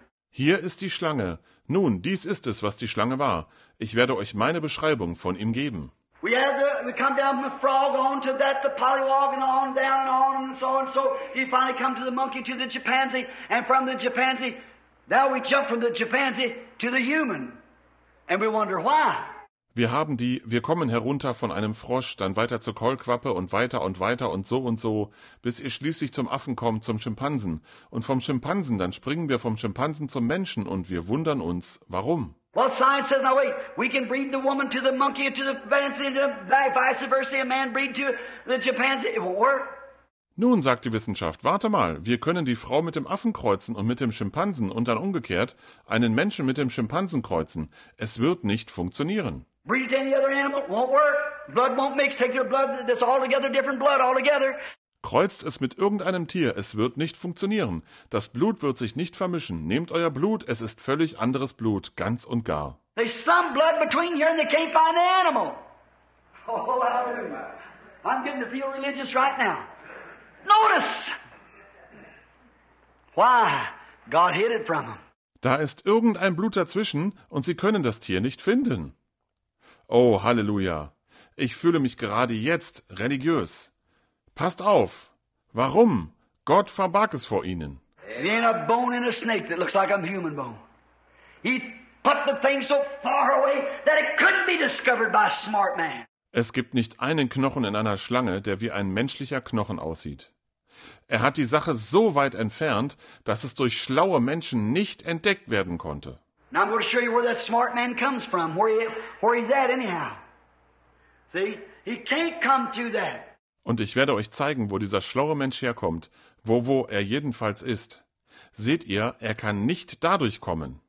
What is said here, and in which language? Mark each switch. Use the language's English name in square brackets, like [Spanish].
[German] Hier ist die Schlange. Nun, dies ist es, was die Schlange war. Ich werde euch meine Beschreibung von ihm geben. [English] We come down from the frog on to that, the polywog, and on down and so. You finally come to the monkey, to the chimpanzee, and from the chimpanzee, now we jump from the chimpanzee to the human. And we wonder why. [German] Wir kommen herunter von einem Frosch, dann weiter zur Kaulquappe und weiter und so, bis ihr schließlich zum Affen kommt, zum Schimpansen. Und vom Schimpansen, dann springen wir vom Schimpansen zum Menschen und wir wundern uns, warum. [English] Well, science says, now wait, we can breed the woman to the monkey and to the chimpanzee and vice versa, a man breed to the chimpanzee, it won't work. [German] Nun, sagt die Wissenschaft, warte mal, wir können die Frau mit dem Affen kreuzen und mit dem Schimpansen und dann umgekehrt einen Menschen mit dem Schimpansen kreuzen. Es wird nicht funktionieren. [English] Breed to any other animal, won't work. Blood won't mix, take your blood, that's altogether different blood altogether. [German] Kreuzt es mit irgendeinem Tier, es wird nicht funktionieren. Das Blut wird sich nicht vermischen. Nehmt euer Blut, es ist völlig anderes Blut, ganz und gar. [English] There's some blood between here and they can't find the animal. Oh, hallelujah. I'm getting to feel religious right now. Notice! Why? God hid it from them. [German] Da ist irgendein Blut dazwischen und sie können das Tier nicht finden. Oh, Halleluja. Ich fühle mich gerade jetzt religiös. Passt auf. Warum? Gott verbarg es vor ihnen. [English] There ain't a bone in a snake that looks like a human bone. He put the thing so far away that it couldn't be discovered by a smart man. [German] Es gibt nicht einen Knochen in einer Schlange, der wie ein menschlicher Knochen aussieht. Er hat die Sache so weit entfernt, dass es durch schlaue Menschen nicht entdeckt werden konnte. [English] Now I'm going to show you where that smart man comes from, where he's at anyhow. See, he can't come to that. [German] Und ich werde euch zeigen, wo dieser schlaue Mensch herkommt, wo er jedenfalls ist. Seht ihr, er kann nicht dadurch kommen.